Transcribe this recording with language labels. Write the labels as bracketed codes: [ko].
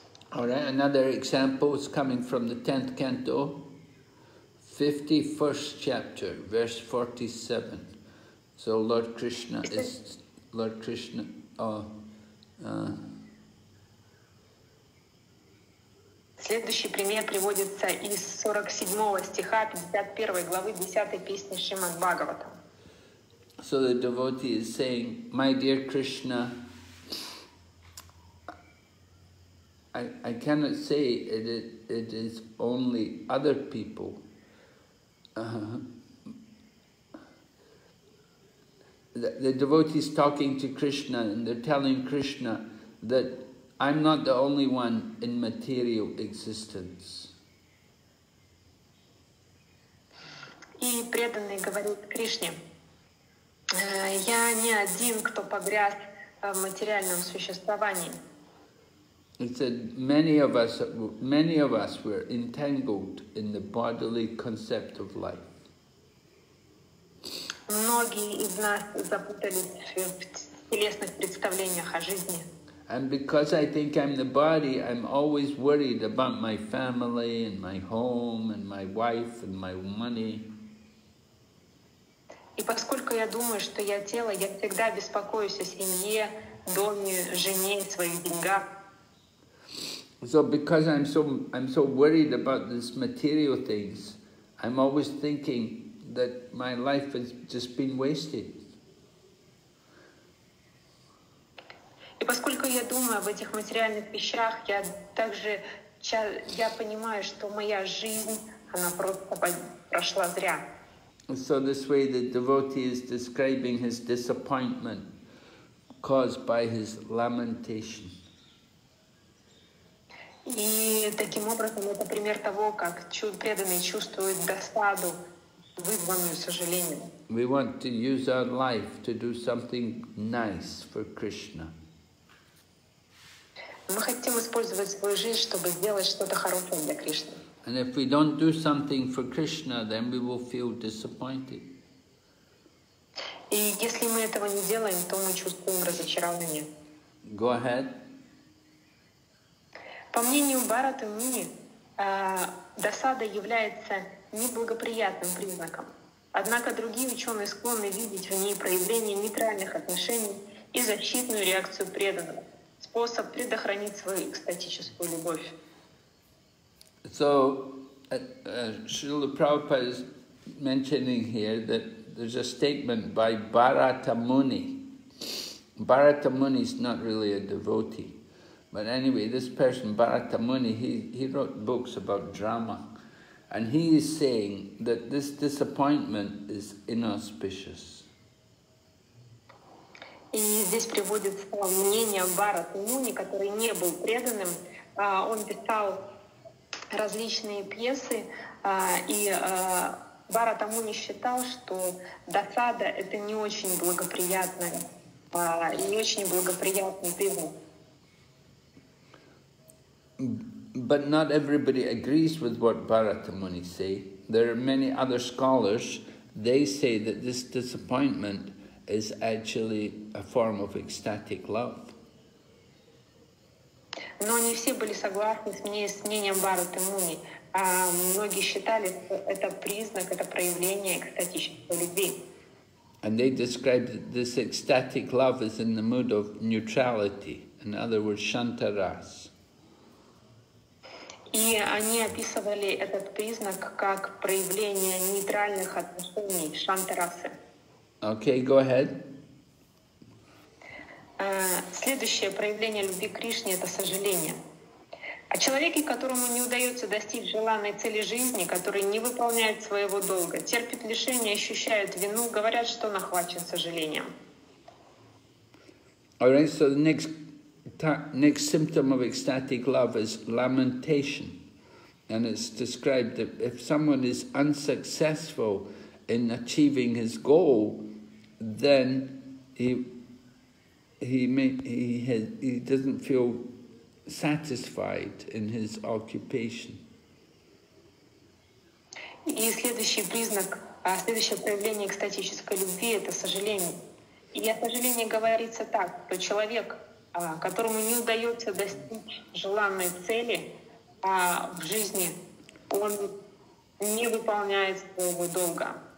[en] All right, another example is coming from the 10th canto, 51st chapter, verse 47. So Lord Krishna is, Lord Krishna, [ru] Следующий пример приводится из 47 стиха 51 главы 10 песни Шримад Бхагаватам. [en] So the devotee is saying, my dear Krishna, I cannot say it is only other people. The devotee is talking to Krishna and they're telling Krishna that I'm not the only one in material existence. [ru] И преданный говорит Кришне: я не один, кто погряз в материальном существовании. [en] He said, many of us were entangled in the bodily concept of life. [ru] Многие из нас запутались в телесных представлениях о жизни. [en] And because I think I'm the body, I'm always worried about my family and my home and my wife and my money. [ru] И поскольку я думаю, что я тело, я всегда беспокоюсь о семье, доме, жене, своих деньгах. [en] So because I'm so worried about these material things, I'm always thinking that my life has just been wasted. [ru] И поскольку я думаю об этих материальных вещах, я также я понимаю, что моя жизнь она просто прошла зря. [en] So this way the devotee is describing his disappointment caused by his lamentation. [ru] И таким образом это пример того, как преданный чувствует досаду, вызванную сожалением. [en] We want to use our life to do something nice for Krishna. [ru] Мы хотим использовать свою жизнь, чтобы сделать что-то хорошее для Кришны. [en] And if we don't do something for Krishna, then we will feel disappointed. [ru] И если мы этого не делаем, то мы чувствуем разочарование. [en] Go ahead. [ru] По мнению Бхараты Муни, досада является неблагоприятным признаком. Однако другие ученые склонны видеть в ней проявление нейтральных отношений и защитную реакцию преданного, способ предохранить свою экстатическую любовь. [en] So, Srila Prabhupada is mentioning here that there's a statement by Bharata Muni. Bharata Muni is not really a devotee. But anyway, this person, Bharata Muni, he wrote books about drama. And he is saying that this disappointment is inauspicious. [ru] И здесь приводится мнение Бхарата Муни, который не был преданным. Он писал различные пьесы, и Бхарата Муни считал, что досада — это не очень благоприятное, не очень благоприятный привод. [en] But not everybody agrees with what Bharata Muni say. There are many other scholars, they say that this disappointment is actually a form of ecstatic love. [ru] Но не все были согласны с мнением Бхараты Муни. Многие считали, что это признак, это проявление экстатической любви. [en] And they described this ecstatic love as in the mood of neutrality, in other words, Shantaras. [ru] И они описывали этот признак как проявление нейтральных отношений, шантарасы. [en] Okay, go ahead. [ru] Следующее проявление любви к Кришне — это сожаление. О человеке, которому не удается достичь желанной цели жизни, который не выполняет своего долга, терпит лишение, ощущает вину, говорят, что он охвачен сожалением. [en] All right, so the next... Next symptom of ecstatic love is lamentation, and it's described that if someone is unsuccessful in achieving his goal, then he doesn't feel satisfied in his occupation. [ru] И следующий признак, следующее проявление экстатической любви — это сожаление. И о сожалении говорится так, что человек, которому не удается достичь желанной цели в жизни, он не выполняет своего долга.